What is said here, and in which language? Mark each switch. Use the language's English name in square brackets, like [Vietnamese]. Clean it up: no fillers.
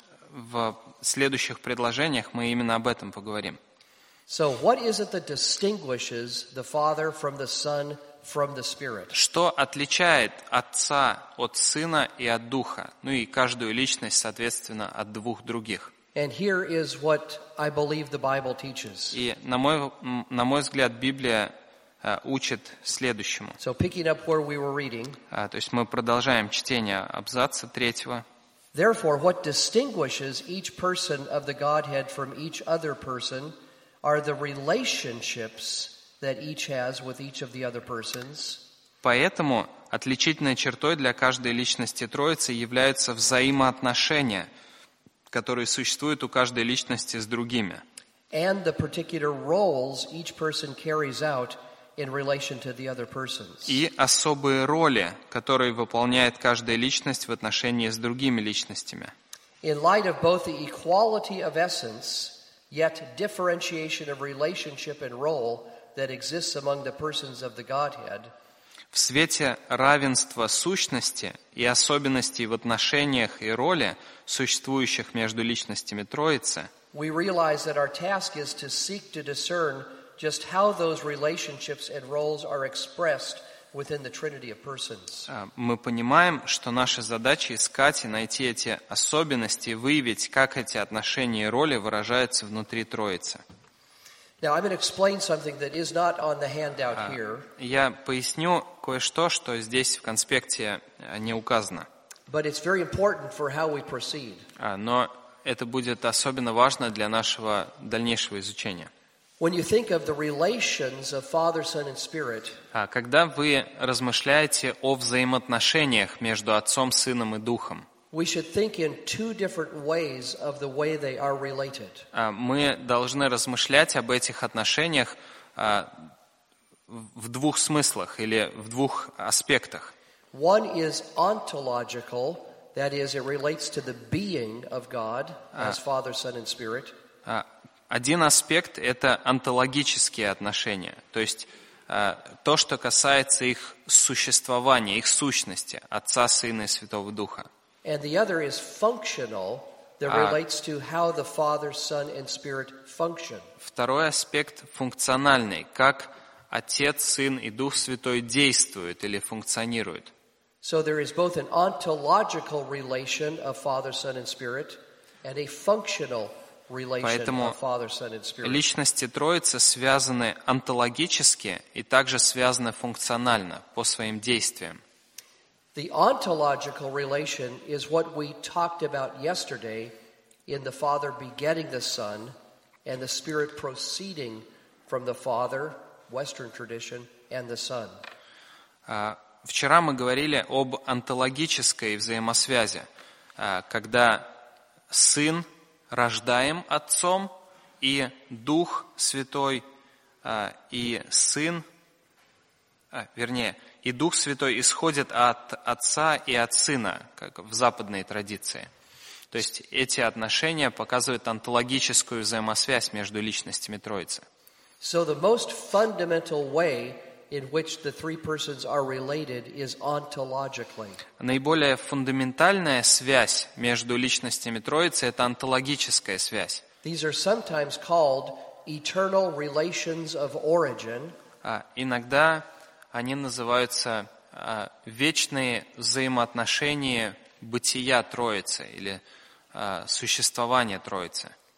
[Russian] В следующих предложениях мы именно об этом поговорим. [English] So what is it that distinguishes the Father from the Son from the Spirit? [Russian] Что отличает Отца от Сына и от Духа? Ну и каждую личность, соответственно, от двух других. [English] And here is what I believe the Bible teaches. [Russian] И на мой взгляд, Библия учит следующему. [English] So picking up where we were reading. [Russian] То есть мы продолжаем чтение абзаца третьего. [English] Therefore, what distinguishes each person of the Godhead from each other person are the relationships that each has with each of the other persons. [Russian] Поэтому отличительной чертой для каждой личности Троицы являются взаимоотношения, которые существуют у каждой личности с другими. [English] And the particular roles each person carries out in relation to the other persons. [Russian] И особые роли, которые выполняет каждая личность в отношении с другими личностями. [English] In light of both the equality of essence, yet differentiation of relationship and role that exists among the persons of the Godhead. [Russian] В свете равенства сущности и особенностей в отношениях и роли, существующих между личностями Троицы. [English] We realize that our task is to seek to discern just how those relationships and roles are expressed within the Trinity of persons. [Russian] Мы понимаем, что наша задача искать и найти эти особенности, выявить, как эти отношения и роли выражаются внутри Троицы. [English] Now I'm going to explain something that is not on the handout here. [Russian] Я поясню кое-что, что здесь в конспекте не указано. [English] But it's very important for how we proceed. [Russian] Но это будет особенно важно для нашего дальнейшего изучения. [English] When you think of the relations of Father, Son, and Spirit, [Russian] когда вы размышляете о взаимоотношениях между Отцом, Сыном и Духом, [English] we should think in two different ways of the way they are related. [Russian] Мы должны размышлять об этих отношениях в двух смыслах или в двух аспектах. [English] One is ontological, that is, it relates to the being of God as Father, Son, and Spirit. [Russian] Один аспект – это онтологические отношения, то есть то, что касается их существования, их сущности, Отца, Сына и Святого Духа. [English] And the other is functional, that relates to how the Father, Son, and Spirit function. [Russian] Второй аспект – функциональный, как Отец, Сын и Дух Святой действуют или функционируют. [English] So there is both an ontological relation of Father, Son, and Spirit, and a functional [Russian] Поэтому личности Троицы связаны онтологически и также связаны функционально по своим действиям. [English] The ontological relation is what we talked about yesterday in the Father begetting the Son and the Spirit proceeding from the Father, Western tradition, and the Son. [Russian] Вчера мы говорили об онтологической взаимосвязи, когда Сын рождаем Отцом, и Дух Святой, и Сын, вернее, и Дух Святой исходит от Отца и от Сына, как в западной традиции. То есть эти отношения показывают онтологическую взаимосвязь между личностями Троицы. [English] So the most fundamental way in which the three persons are related is ontologically. [Russian] Наиболее фундаментальная связь между личностями Троицы — это онтологическая связь. [English] These are sometimes called eternal relations of origin. [Russian] Иногда они называются вечные взаимоотношения бытия Троицы или существования Троицы.